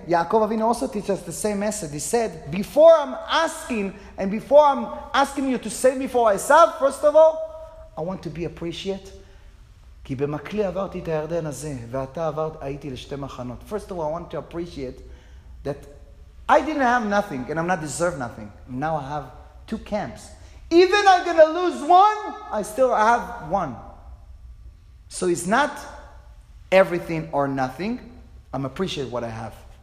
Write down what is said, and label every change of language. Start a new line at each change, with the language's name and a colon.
English: Yaakov avinu also teaches the same message. He said, before I'm asking and before I'm asking you to save me for esav, first of all, I want to be appreciate.
Hebrew: כי במקלי עברתי את הירדן הזה, ואתה עברת, הייתי לשתי מחנות.
English: First of all, I want to appreciate that I didn't have nothing, and I'm not deserve nothing. Now I have two camps. Even I'm going to lose one, I still have one. So it's not everything or nothing. I'm appreciate what I have.